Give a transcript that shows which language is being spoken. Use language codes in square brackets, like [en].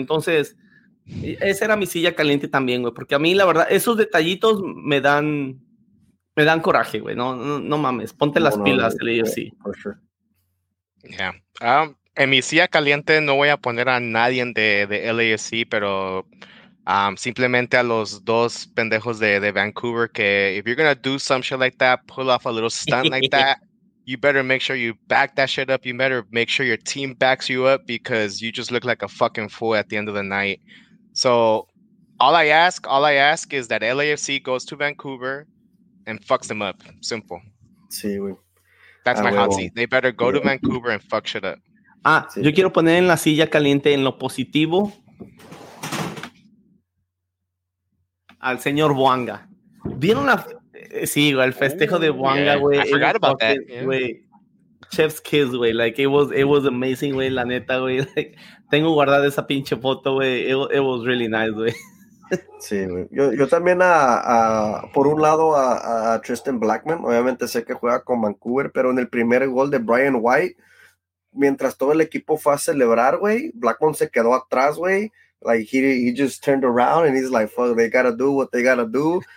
[es] Entonces, esa era mi silla caliente también, güey. Porque a mí, la verdad, esos detallitos me dan coraje, güey. No mames, ponte las pilas, le digo, sí. [en] Yeah. [es] En mi silla caliente no voy a poner a nadie de LAFC, pero... simplemente a los dos pendejos de Vancouver que [en] if you're gonna do some shit like that, pull off a little stunt like that, you better make sure you back that shit up. You better make sure your team backs you up because you just look like a fucking fool at the end of the night. So all I ask is that LAFC goes to Vancouver and fucks them up. Simple. [es] Sí, güey. [en] That's my hot seat. They better go to Vancouver and fuck shit up. [es] Ah, sí. Yo quiero poner en la silla caliente en lo positivo. Al señor Buanga. ¿Vieron la... Sí, güey, el festejo de Buanga, güey. [en] I forgot about that. Güey. Chef's kiss, güey. Like, it was amazing, güey, [es] la neta, [en] güey. [es] Like, tengo guardada esa pinche foto, güey. [en] It was really nice, [es] güey. Sí, güey. Yo también por un lado a Tristan Blackman. Obviamente sé que juega con Vancouver, pero en el primer gol de Brian White, mientras todo el equipo fue a celebrar, güey, Blackman se quedó atrás, güey. [en] Like, he just turned around and he's like, fuck, they gotta do what they gotta do.